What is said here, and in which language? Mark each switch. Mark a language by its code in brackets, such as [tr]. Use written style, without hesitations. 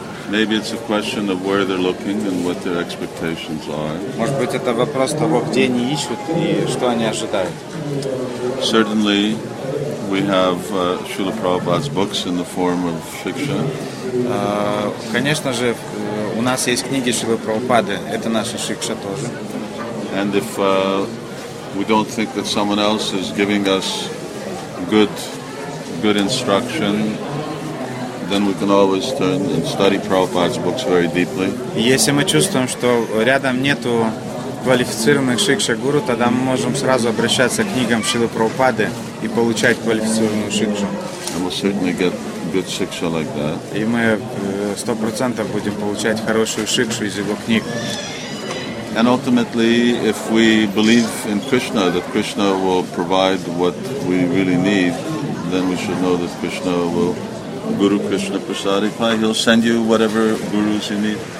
[en] Maybe it's a question of where they're looking and what their expectations are. [ru] Может быть, это вопрос того, где они ищут и что они ожидают. [en] Certainly, we have Srila Prabhupada's books in the form of Shiksha. [ru] Конечно же, у нас есть книги Шрилы Прабхупады. Это наша Шикша тоже. [en] And if we don't think that someone else is giving us good instruction, then we can always turn and study Prabhupada's books very deeply. [ru] Если мы чувствуем, что рядом нету квалифицированных шикша гуру, тогда мы можем сразу обращаться к книгам Шрилы Прабхупады и получать квалифицированную шикшу. [en] And we'll certainly get good шикша like that. [ru] И мы 100% будем получать хорошую шикшу из его книг. [en] And ultimately, if we believe in Krishna, that Krishna will provide what we really need, then we should know that Krishna will Guru Krishna Prasadipai, he'll send you whatever gurus you need.